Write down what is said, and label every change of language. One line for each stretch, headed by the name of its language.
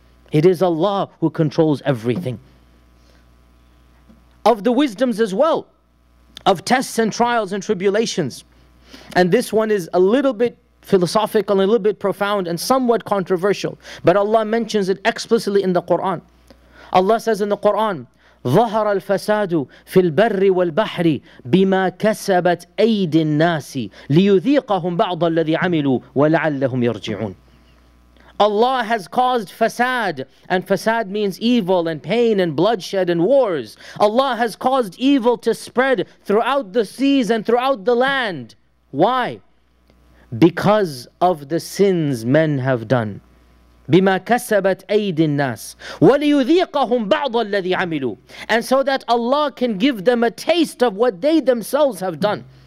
English: It is Allah who controls everything. Of the wisdoms as well, of tests and trials and tribulations. And this one is a little bit philosophical, a little bit profound, and somewhat controversial. But Allah mentions it explicitly in the Quran. Allah says in the Quran,
Arabic: ظهر الفساد في البر والبحر بما كسبت أيدي الناس ليذيقهم بعض الذي عملوا ولعلهم يرجعون.
English: Allah has caused fasad, and fasad means evil and pain and bloodshed and wars. Allah has caused evil to spread throughout the seas and throughout the land. Why? Because of the sins men have done.
Arabic: بِمَا كَسَبَتْ أَيْدِ النَّاسِ وَلِيُذِيقَهُمْ بَعْضَ الَّذِي عَمِلُوا
English: And so that Allah can give them a taste of what they themselves have done.